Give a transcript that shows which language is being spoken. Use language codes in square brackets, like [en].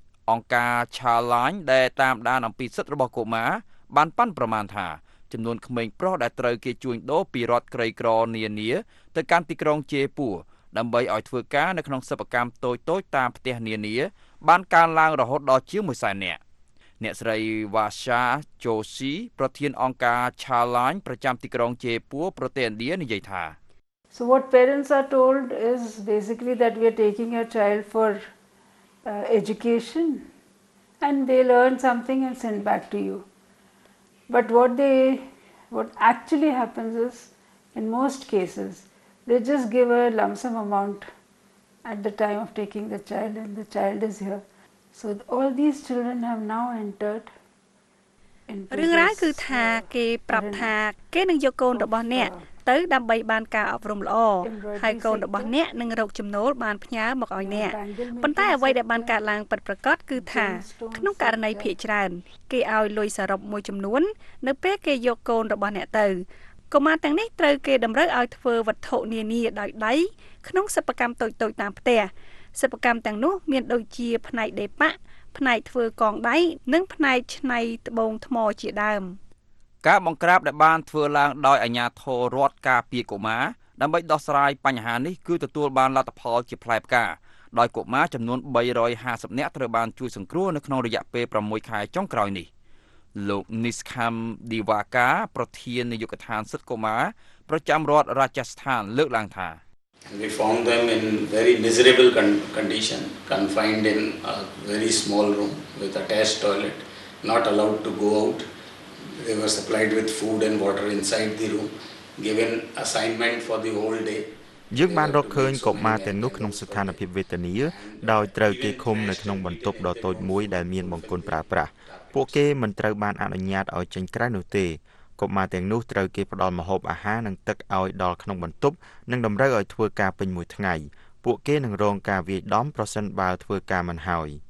[km] អង្គការ Childline ដែលតាមដានអំពីសិទ្ធិរបស់កុមារបានប៉ាន់ប្រមាណថាចំនួនក្មេងប្រុសដែលត្រូវគេជួញដូរពីរដ្ឋក្រីក្រនានាទៅកាន់ទីក្រុងជេពួរដើម្បីឲ្យធ្វើការនៅក្នុងសិប្បកម្មតូចៗតាមផ្ទះនានាបានកើនឡើងរហូតដល់ជាង100,000នាក់អ្នកស្រីវ៉ាសាជូស៊ីប្រធានអង្គការ Childline ប្រចាំទីក្រុងជេពួរប្រទេសឥណ្ឌានិយាយថា [en] So what parents are told is basically that we are taking a child foreducation and they learn something and send back to you but what actually happens is in most cases they just give a lump sum amount at the time of taking the child and the child is here so all these children have now entered [km] រឿងរ៉ាវគឺថាគេប្រាប់ថាគេនឹងយកកូនរបស់អ្នកទៅដើម្បីបានការអប់រំល្អហើយកូនរបស់អ្នកនឹងរកចំណូលបានផ្ញើមកឲ្យអ្នកប៉ុន្តែអ្វីដែលបានកើតឡើងពិតប្រាកដគឺថាក្នុងករណីភាគច្រើនគេឲ្យលុយសរុបមួយចំនួននៅពេលគេយកកូនរបស់អ្នកទៅ កុមារទាំងនេះត្រូវគេតម្រូវឲ្យធ្វើវត្ថុនានាដោយដៃក្នុងសិប្បកម្មតូចៗតាមផ្ទះសិប្បកម្មទាំងនោះមានដូចជាផ្នែកដេប៉ាក់ផ្នែកធ្វើកងដៃនិងផ្នែកច្នៃត្បូងថ្មជាដើម ការបង្ក្រាបដែលបានធ្វើឡើងដោយអាជ្ញាធររដ្ឋការពារកុមារដើម្បីដោះស្រាយបញ្ហានេះគឺទទួលបានលទ្ធផលជាផ្លែផ្កាដោយកុមារចំនួន350នាក់ត្រូវបានជួយសង្គ្រោះនៅក្នុងរយៈពេល6ខែចុងក្រោយនេះលោក Niskam Divaka ប្រធាននាយកដ្ឋានសិទ្ធិកុមារប្រចាំរដ្ឋ Rajasthan លើកឡើងថា [en] We found them in very miserable condition confined in a very small room with attached toilet not allowed to go outthey were supplied with food and water inside the room given assignment for the whole day [km] យើងបានរកឃើញកុមារទាំងនោះក្នុងស្ថានភាពវេទនាដោយត្រូវគេឃុំនៅក្នុងបន្ទប់ដ៏តូចមួយដែលមានបង្គន់ប្រើប្រាស់ពួកគេមិនត្រូវបានអនុញ្ញាតឲ្យចេញក្រៅនោះទេកុមារទាំងនោះត្រូវគេផ្ដល់ម្ហូបអាហារនិងទឹកឲ្យដល់ក្នុងបន្ទប់និងតម្រូវឲ្យធ្វើការពេញមួយថ្ងៃពួកគេនឹងរងការវាយដំប្រសិនបើធ្វើការមិនហើយ